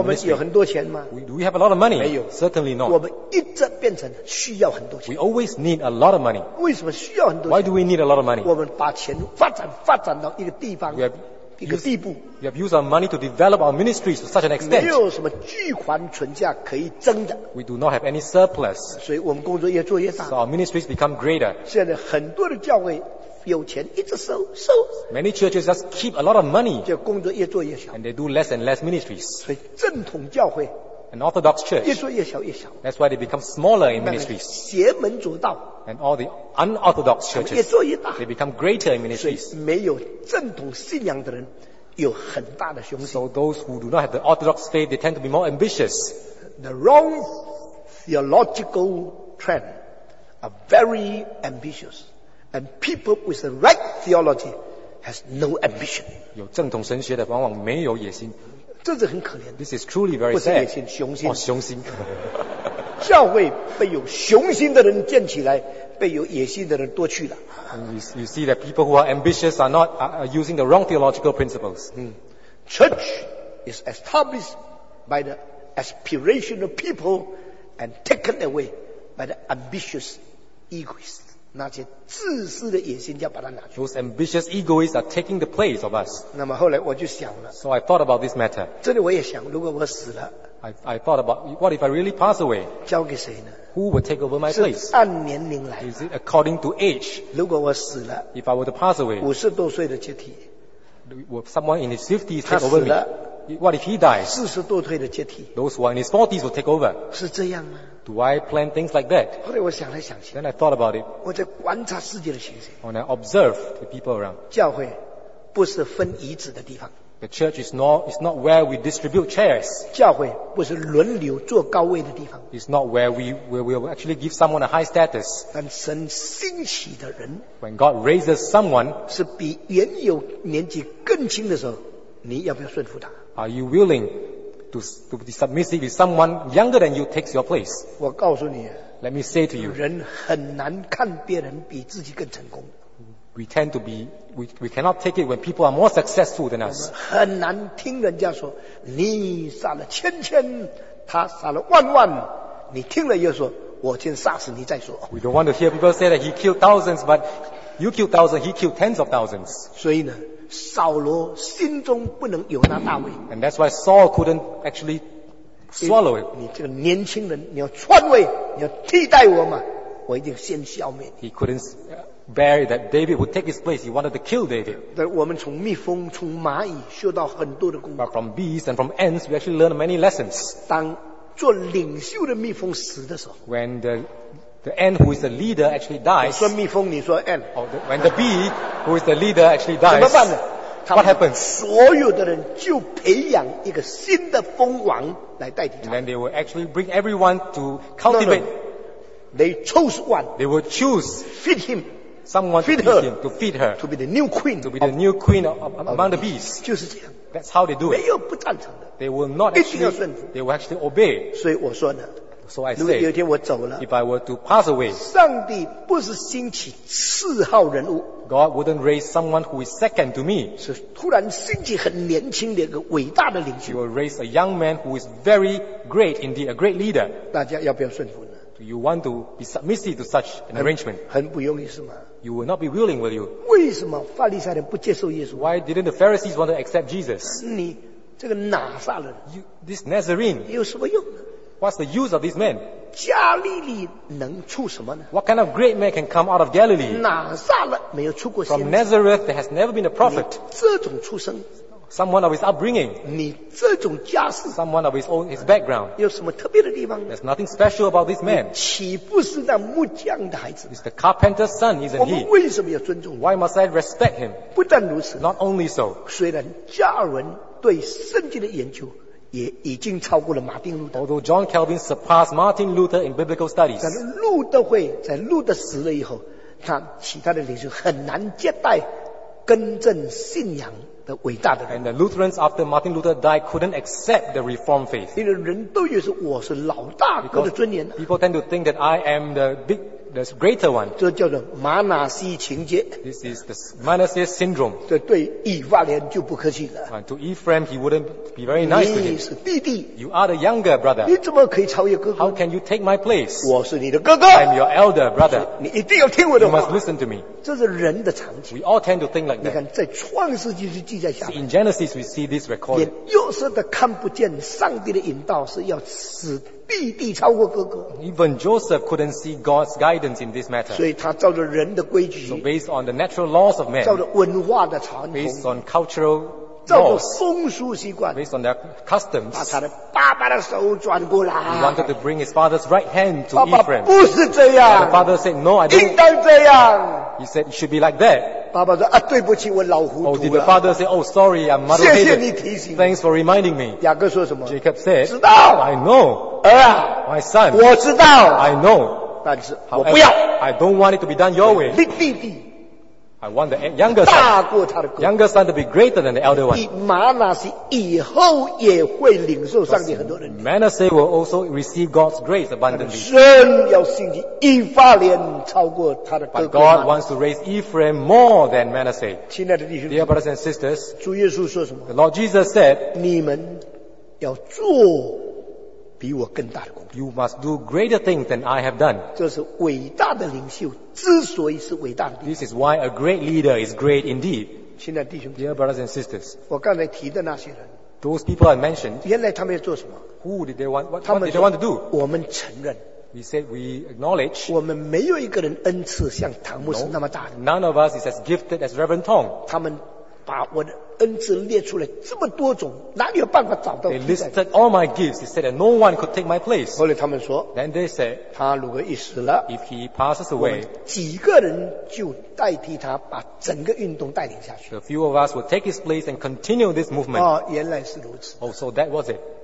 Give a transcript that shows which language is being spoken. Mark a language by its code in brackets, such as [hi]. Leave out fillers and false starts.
[zh] 我们有很多钱吗 [en] ？Do we have a lot of money？ [zh] 没有 [en] ，certainly not. [zh] 我们一直变成需要很多钱。 [en] We always need a lot of money. [zh] 为什么需要很多钱 [en] ？Why do we need a lot of money? [zh] 我们把钱发展到一个地方，一一个地步。 [en] We have used our money to develop our ministries to such an extent. [zh] 没有什么巨款存价可以增的。 [en] We do not have any surplus. [zh] 所以我们工作越做越大。 [en] So our ministries become greater. [zh] 现在很多的教会有钱一直收收。 [en] Many churches just keep a lot of money. [zh] 就工作越做越小。 [en] And they do less and less ministries. [zh] 所以正统教会。 [en] An Orthodox church. [zh] 越做越小越小。 [en] That's why they become smaller in ministries. [zh] 邪门左道。 [en] And all the unorthodox churches, [zh] 越做越大, [en] they become greater in ministries. [zh] 没有正统信仰的人有很大的雄心。 [en] So those who do not have the orthodox faith, they tend to be more ambitious. The wrong theological trend are very ambitious. And people with the right theology has no ambition. [zh] 有正统神学的往往没有野心。这是很可怜的。 [en] This is truly very sad. [zh] 不是野心，雄心。哦，雄心。教会被有雄心的人建起来，被有野心的人夺去了。 [en] You see that people who are ambitious are not using the wrong theological principles. Church is established by the aspirational people and taken away by the ambitious egoists. [zh] 那些自私的野心要把它拿去。 [en] Those ambitious egoists are taking the place of us. [zh] 那么后来我就想了。 [en] So I thought about this matter. [zh] 这里我也想，如果我死了。 [en] I thought about what if I really pass away? [zh] 交给谁呢? [en] Who would take over my place? [zh] 是按年龄来。 [en] Is it according to age? [zh] 如果我死了, [en] if I were to pass away, [zh] 50多岁的接替, [en] will someone in his 50s take over me? [zh] 他死了, [en] what if he dies? [zh] 40多岁的接替, [en] those who are in his 40s will take over. [zh] 是这样吗? [en] Do I plan things like that? [zh] 后来我想来想去, [en] then I thought about it. [zh] 我在观察世界的形势, [en] when I observe the people around. [zh] 教会不是分遗址的地方。 [en] The church is not where we distribute chairs. [zh] 教会不是轮流坐高位的地方。 [en] It's not where we will actually give someone a high status. [zh] 但神兴起的人 [en] When God raises someone, [zh] 是比原有年纪更轻的时候，你要不要顺服他？ [en] Are you willing to be submissive if someone younger than you takes your place? [zh] 我告诉你， [en] Let me say to you, [zh] 人很难看别人比自己更成功。 [en] We tend to be, we cannot take it when people are more successful than us. [zh] 很难听人家说你杀了千千，他杀了万万。你听了又说，我先杀死你再说。 [en] We don't want to hear people say that he killed thousands, but you killed thousands, he killed tens of thousands. [zh] 所以呢，扫罗心中不能有那大位。 [en] And that's why Saul couldn't actually swallow it. [zh] 你这个年轻人，你要篡位，你要替代我嘛，我一定先消灭你。 [en] He couldn't. Bear that David would take his place. He wanted to kill David. [zh] 但我们从蜜蜂、从蚂蚁学到很多的功课。 [en] But from bees and from ants, we actually learned many lessons. [zh] 当做领袖的蜜蜂死的时候 [en] ，When the ant who is the leader actually dies. [zh] 我说蜜蜂，你说 ant. [en] When the bee who is the leader actually dies. [zh] 怎么办呢？ [en] What happens? [zh] 所有的人就培养一个新的蜂王来代替他。 [en] And then they will actually bring everyone to cultivate. No. They chose one. They will choose feed him. Someone feed to feed him, to feed her, to be the new queen, to be the new queen among the bees. [zh] 就是这样。 [en] That's how they do it. [zh] 没有不赞成的。 [en] They will not actually, they will actually obey. [zh] 所以我说呢。 [en] So I say, [zh] 如果有一天我走了。 [en] If I were to pass away, [zh] 上帝不是兴起四号人物。 [en] God wouldn't raise someone who is second to me. [zh] 是突然兴起很年轻的一个伟大的领袖。 [en] He will raise a young man who is very great, indeed a great leader. [zh] 大家要不要顺服呢？ [en] Do you want to be submissive to such an arrangement? [zh] 很不容易是吗? [en] You will not be willing, will you? [zh] 为什么法利赛人不接受耶稣? [en] Why didn't the Pharisees want to accept Jesus? [zh] 你这个拿撒勒, [en] this Nazarene, [zh] 有什么用? [en] What's the use of this man? [zh] 加利利能出什么呢? [en] What kind of great man can come out of Galilee? [zh] 拿撒勒没有出过先知。 [en] From Nazareth, there has never been a prophet. [zh] 你这种出生。 [en] Someone of his upbringing. [zh] 你这种家世, [en] someone of his background. [zh] 有什么特别的地方? [en] There's nothing special about this man. [zh] 你岂不是那木匠的孩子? [en] He's the carpenter's son, isn't he? [zh] 我们为什么要尊重? [en] Why must I respect him? [zh] 不但如此, [en] not only so. [zh] 虽然家人对圣经的研究也已经超过了马丁路德。 [en] Although John Calvin surpassed Martin Luther in biblical studies. [zh] 但路德会在路德死了以后，他其他的领袖很难接待更正信仰。的伟大的人。 [en] And the Lutherans after Martin Luther died couldn't accept the Reformed faith. [zh] 因为人都以为是我是老大哥的尊严。 [en] Because people tend to think that I am the big, there's greater one. [zh] 这叫做马纳西情节。 [en] This is the Manasseh syndrome. [zh] 这对以法莲就不客气了。 [en] And to Ephraim, he wouldn't be very nice to him. [zh] 你是弟弟。 [en] You are the younger brother. [zh] 你怎么可以超越哥哥？ [en] How can you take my place? [zh] 我是你的哥哥。 [en] I'm your elder brother. [zh] 你一定要听我的话。 [en] You must listen to me. [zh] 这是人的常情。 [en] We all tend to think like that. [zh] 你看，在创世纪是记在下面。 [en] In Genesis, we see this recorded. [zh] 连约瑟都看不见上帝的引导，是要死。弟弟超过哥哥。 [en] Even Joseph couldn't see God's guidance in this matter. [zh] 所以他照着人的规矩。 [en] So based on the natural laws of men. [zh] 照着文化的传统。 [en] Based on cultural laws. [zh] 照着风俗习惯。 [en] Based on their customs. [zh] 把他的爸爸的手转过来。 [en] He wanted to bring his father's right hand to Ephraim. [zh] 爸爸 [en] Ephraim. [zh] 不是这样。 [en] The father said, No, I don't. [zh] 应当这样。 [en] He said, It should be like that. [zh] 爸爸说啊，对不起，我老糊涂了。 [en] Oh, did the father say, Oh, sorry, I'm muddled. [zh] 谢谢你提醒。 [en] Thanks for reminding me. [zh] 雅各说什么？ [en] Jacob said, [zh] 知道。 [en] I know. My son, [zh] 我知道 [en] I know, [zh] 但是 [en] however, [zh] 我不要 [en] I don't want it to be done your way. [zh] 你弟弟 [en] I want the younger son, [zh] 大过他的哥哥 [en] younger son to be greater than the elder one. [zh] 马拿西以后也会领受上帝很多人 [en] Manasseh will also receive God's grace abundantly. [zh] 神要兴起以法莲超过他的哥哥 [en] But God wants to raise Ephraim more than Manasseh. [zh] 亲爱的弟兄 [en] Dear brothers and sisters, [zh] 主耶稣说什么 [en] The Lord Jesus said, [zh] 你们要做比我更大的工作。 [en] You must do greater things than I have done. [zh] 这是伟大的领袖之所以是伟大的。 [en] This is why a great leader is great indeed. [zh] 亲爱的弟兄 [en] Dear brothers and sisters. [zh] 我刚才提的那些人 [en] Those people I mentioned. [zh] 原来他们要做什么 [en] Who did they want, what did they want to do? [zh] 我们承认。 [en] We said we acknowledge. [zh] 我们没有一个人恩赐像唐牧师那么大的。 [en] No, none of us is as gifted as Reverend Tong. [zh] 他们把我的恩赐列出来这么多种，哪里有办法找到 [en] ？They listed all my gifts. They said that no one could take my place. [zh] 后来他们说 [en] ，Then they said， [zh] 他如果一死了 [en] ，If he passes away， [zh] 几个人就代替他把整个运动带领下去。 [en] A few of us would take his place and continue this movement. [zh] 哦，原来是如此。 [en] Oh, so that was it.